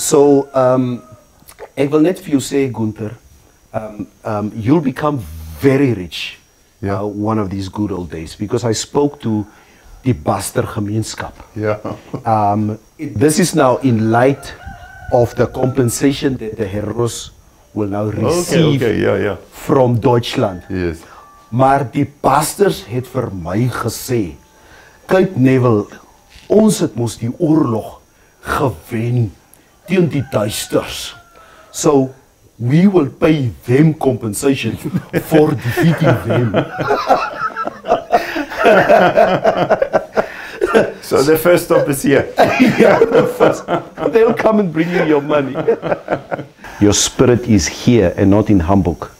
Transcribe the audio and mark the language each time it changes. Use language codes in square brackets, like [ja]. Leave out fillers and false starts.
[af] So, ek wil net vir jou sê, Gunther, [en] you'll become very rich, yeah, one of these good old days, because I spoke to the Baster gemeenskap. Yeah. This is now in light of the compensation that the heroes will now receive, okay, okay, yeah, yeah, from Deutschland. Yes. [af] Maar die pastors het vir my gesê, kyk Neville, ons het mos die oorlog gewen teen die duisters. [en] So we will pay them compensation for defeating them. So the first stop is here. Yeah, the first. They'll come and bring you your money. Your spirit is here and not in Hamburg.